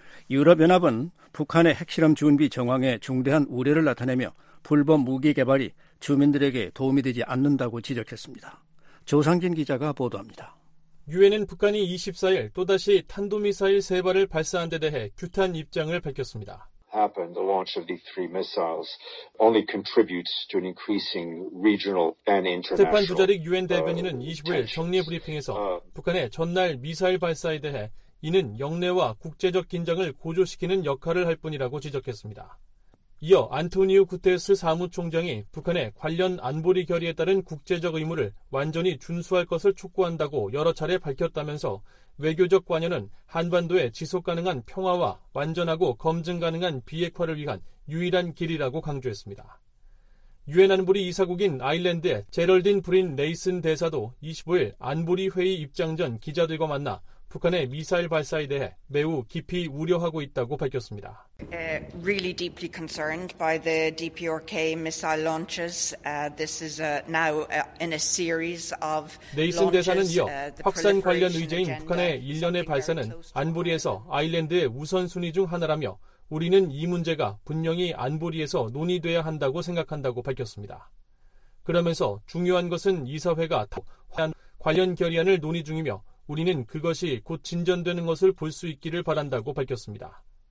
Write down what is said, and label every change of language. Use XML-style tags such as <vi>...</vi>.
<ko>유럽연합은 북한의 핵실험 준비 정황에 중대한 우려를 나타내며 불법 무기 개발이 주민들에게 도움이 되지 않는다고 지적했습니다. 조상진 기자가 보도합니다. 유엔은 북한이 24일 또다시 탄도미사일 세 발을 발사한 데 대해 규탄 입장을 밝혔습니다.</ko> <en>Happened. The launch of the three missiles only contributes to an increasing regional and international.</en> <ko>스테판 두자릭 유엔 대변인은 25일 정례 브리핑에서 북한의 전날 미사일 발사에 대해 이는 영내와 국제적 긴장을 고조시키는 역할을 할 뿐이라고 지적했습니다. 이어 안토니오 구테스 사무총장이 북한의 관련 안보리 결의에 따른 국제적 의무를 완전히 준수할 것을 촉구한다고 여러 차례 밝혔다면서 외교적 관여는 한반도의 지속가능한 평화와 완전하고 검증가능한 비핵화를 위한 유일한 길이라고 강조했습니다. 유엔 안보리 이사국인 아일랜드의 제럴딘 브린 네이슨 대사도 25일 안보리 회의 입장 전 기자들과 만나 북한의 미사일 발사에 대해 매우 깊이 우려하고 있다고 밝혔습니다.</ko> <en>Really deeply concerned by the DPRK missile launches. This is now in a series of.</en> <ko>네이슨 대사는 이어 확산 관련 의제인 북한의 일련의 발사는 안보리에서 아일랜드의 우선순위 중 하나라며 우리는 이 문제가 분명히 안보리에서 논의돼야 한다고 생각한다고 밝혔습니다. 그러면서 중요한 것은 이사회가 관련 결의안을 논의 중이며 우리는 그것이 곧 진전되는 것을 볼 수 있기를 바란다고 밝혔습니다.</ko>